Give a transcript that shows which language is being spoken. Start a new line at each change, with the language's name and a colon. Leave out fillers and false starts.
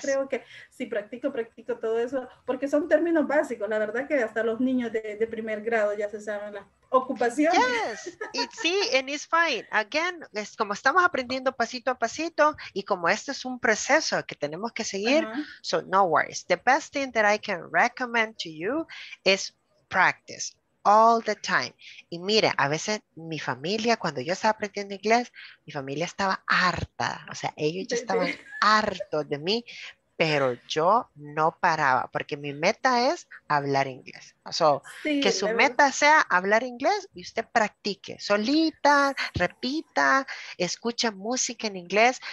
Spanish: creo que si practico todo eso, porque son términos básicos, la verdad que hasta los niños de primer grado ya se saben las ocupaciones.
English: Yes, it's, see, and it's fine.
Spanish: Again, es como estamos aprendiendo pasito a pasito, y como este es un proceso que tenemos que seguir,
English: so no worries. The best thing that I can recommend to you is practice. All the time.
Spanish: Y mira, a veces mi familia, cuando yo estaba aprendiendo inglés, mi familia estaba harta. O sea, ellos ya estaban hartos de mí, pero yo no paraba, porque mi meta es hablar inglés. So, sí, que su meta sea hablar inglés y usted practique solita, repita, escuche música en inglés.